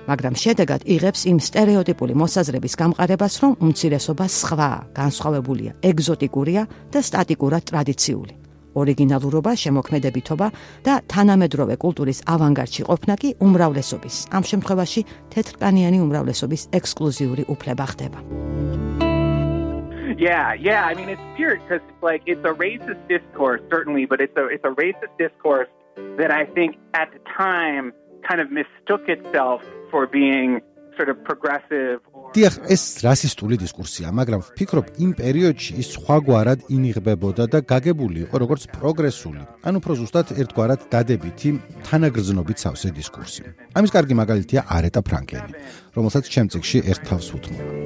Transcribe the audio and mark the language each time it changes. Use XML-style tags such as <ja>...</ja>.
<ka>მაგრამ შედეგად იღებს იმ სტერეოტიპული მოსაზრების გამყარებას, რომ უმცირესობა სხვაა, განსხვავებულია, ეგზოტიკურია და სტატიკურად ტრადიციული. ორიგინალურობა, შემოქმედებითობა და თანამედროვე კულტურის ავანგარდში ყოფნა კი უმრავლესობის, ამ შემთხვევაში თეთრკანიანი უმრავლესობის ექსკლუზიური უფლება ხდება.</ka> <en>Yeah, I mean it's pure because like it's a racist discourse certainly, but it's a racist discourse that I think at the time kind of mistook itself for being sort of progressive or</en> <ka>დიახ, ეს რასისტული დისკურსია, მაგრამ ვფიქრობ იმ პერიოდში ის სხვაგვარად ინიღებებოდა და გაგებული იყო როგორც პროგრესული, ან უფრო ზუსტად ერთგვარად დადებითი თანაგრძნობით სავსე დისკურსი. ამის კარგი მაგალითია არეტა ფრანკლინი, რომელსაც ჩემ წიგში ერთ თავს უთმობ.</ka>